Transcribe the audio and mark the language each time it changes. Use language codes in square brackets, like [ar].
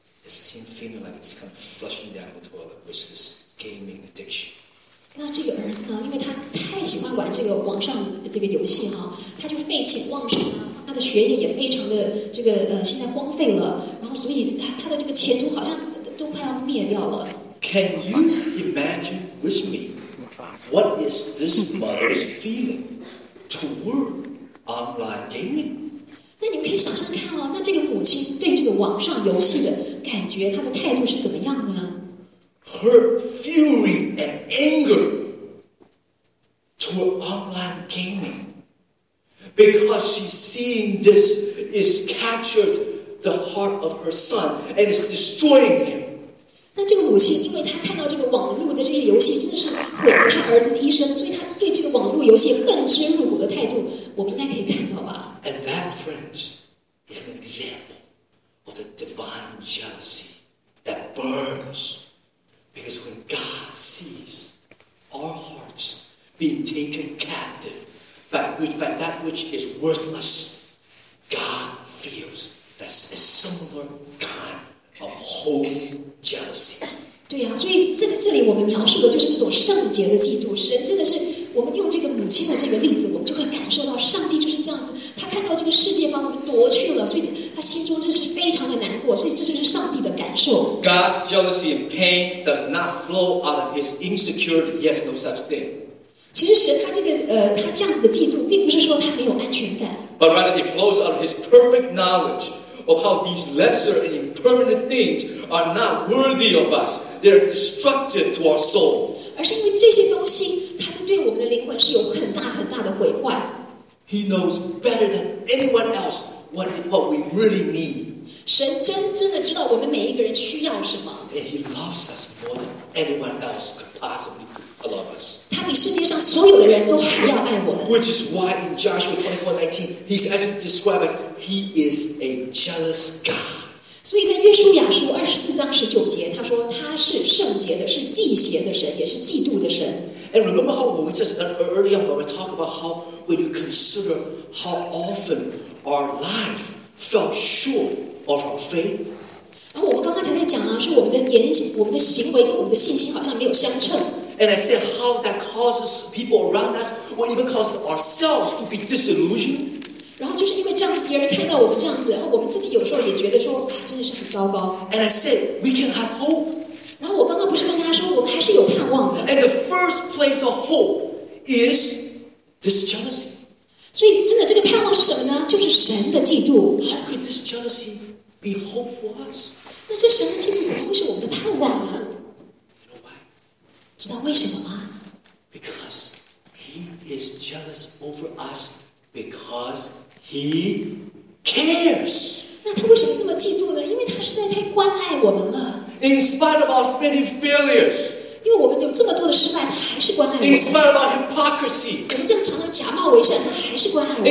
[en] the same feeling like it's kind of flushing down the toilet with this gaming addiction. [zh] 那这个儿子呢？因为他太喜欢玩这个网上这个游戏哈，他就废寝忘食啊，他的学业也非常的这个现在荒废了，然后所以他的这个前途好像都快要灭掉了。 [en] Can you imagine with me what is this mother's feeling toward online gaming？ [zh] 那你们可以想象看哦，那这个母亲对这个网上游戏的感觉，她的态度是怎么样的呢？ [en] Her fury and anger toward online gaming because she's seeing this is captured the heart of her son and is destroying him. [zh] 那这个母亲因为她看到这个网络的这些游戏真的是毁了她儿子的一生，所以她对这个网络游戏恨之入骨的态度，我们应该可以看到吧。 [en] And that, friends, is an example of the divine jealousy that burns. Because when God sees our hearts being taken captive by that which is worthless, God feels that's a similar kind of holy jealousy. [zh] 对啊，所以这里我们描述的就是这种圣洁的嫉妒。神真的是，我们用这个母亲的这个例子，我们就会感受到上帝就是这样子。他看到这个世界把我们夺去了，所以他心中真是非常的难过。所以这就是上帝的感受。 [en] God's jealousy and pain does not flow out of his insecurity. He has no such thing. [zh] 其实神他这个他这样子的嫉妒，并不是说他没有安全感。 [en] But rather it flows out of his perfect knowledge of how these lesser and impermanent things are not worthy of us. They are destructive to our soul. [zh] 而是因为这些东西，他们对我们的灵魂是有很大很大的毁坏。 [en] He knows better than anyone else what we really need. [zh] 神真的知道我们每一个人需要什么。 [en] And he loves us more than anyone else could possibly love us. [zh] 他比世界上所有的人都还要爱我们。 [en] Which is why in Joshua 24:19, he's actually described as he is a jealous God. [zh] 所以在约书亚书24:19，他说他是圣洁的，是忌邪的神，也是嫉妒的神。 [en] And remember how we just early on when we talk about how when you consider how often our life fell short of our faith. [zh] 然后我们刚刚才在讲啊，说我们的行为跟我们的信心好像没有相称。 [en] And I said how that causes people around us, or even causes ourselves to be disillusioned. [zh] 然后就是因为这样子，别人看到我们这样子，然后我们自己有时候也觉得说，真的是很糟糕。 [en] And I said we can have hope. [zh] 然后我刚刚不是跟大家说，我们还是有盼望的。 [en] And the first place of hope is this jealousy. [zh] 所以真的，这个盼望是什么呢？就是神的嫉妒。 [en] How could this jealousy be hope for us? [zh] 那这神的嫉妒怎么会是我们的盼望呢？ [en] You know why? [zh] 知道为什么吗？ [en] Because he is jealous over us because he cares. [zh] 那他为什么这么嫉妒呢？因为他实在太关爱我们了。 [en] In spite of our many failures, [zh] 因为我们有这么多的失败，他还是关爱我们。 [en] In spite of our hypocrisy, [zh] 我们这样常常假冒伪善，他还是关爱我们。